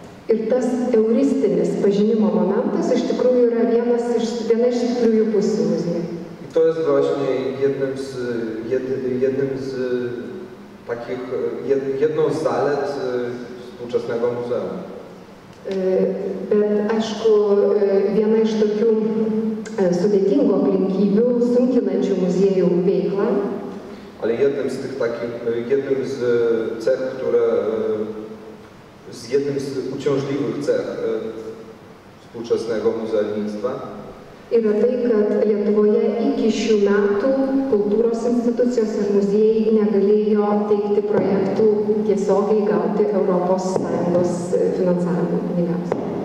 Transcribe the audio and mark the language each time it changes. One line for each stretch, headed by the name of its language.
Lithuanian: Ir tas euristinis pažinimo momentas iš tikrųjų yra vienas iš tikrųjų pusių muzeja.
Polish: I to jest właśnie jedną z zalet współczesnego muzeum.
Lithuanian: Bet aišku, viena iš tokių sudėtingų aplinkybių, sunkinančių muziejų veiklą.
Polish: Ale jednym z tych takich, jednym z cech, które, z jednym z uciążliwych cech współczesnego muzealnictwa.
Lithuanian: Yra tai, kad Lietuvoje iki šių metų kultūros institucijos ir muziejai negalėjo teikti projektų tiesiogiai gauti Europos Sąjungos finansavimo pinigams.